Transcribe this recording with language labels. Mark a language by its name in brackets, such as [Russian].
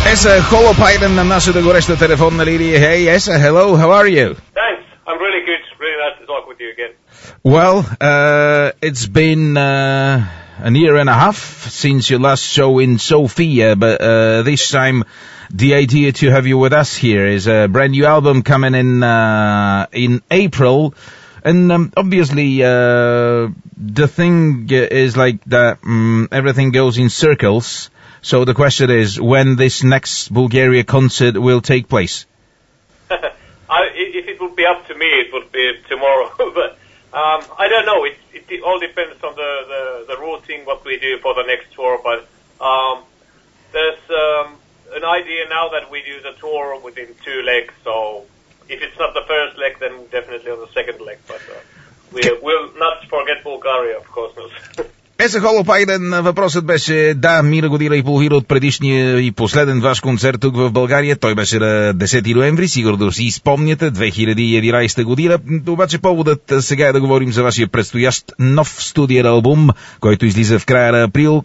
[Bulgarian] Essa Holopainen на нашата гореща телефонна линия. [English] Hey, Essa, hello, how are you? Thanks, I'm really good, really nice to talk with you again. Well, it's been an year and a half since your last show in Sofia, but this time the idea to have you with us here is a brand new album coming in April. And obviously, the thing is like that everything goes in circles. So the question is, when this next Bulgaria concert will take place? If it would be up to me, it would be tomorrow. But I don't know. It all depends on the routing, what we do for the next tour. But there's an idea now that we do the tour within two legs, so if it's not the first leg, then definitely on the second leg. But we'll not forget Bulgaria, of course. [Bulgarian] Essa Holopainen, въпросът беше да, мина година и половина от предишния и последен ваш концерт тук в България. Той беше на 10 ноември, сигурно си спомняте, 2011 година. Обаче поводът сега е да говорим за вашия предстоящ нов студиен албум, който излиза в края на април.